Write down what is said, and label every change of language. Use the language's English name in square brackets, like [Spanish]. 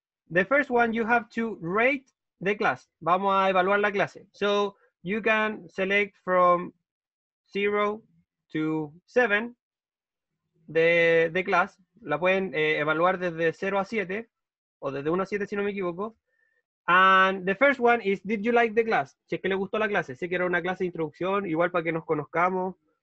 [English] The first one, you have to rate the class. [Spanish] Vamos a evaluar la clase. [English] So you can select from 0 to 7 the class. [Spanish] La pueden evaluar desde 0 a 7, o desde 1 a 7 si no me equivoco. [English] And the first one is, did you like the class? [Spanish] Si es que le gustó la clase. Sé que era una clase de introducción, igual para que nos conozcamos.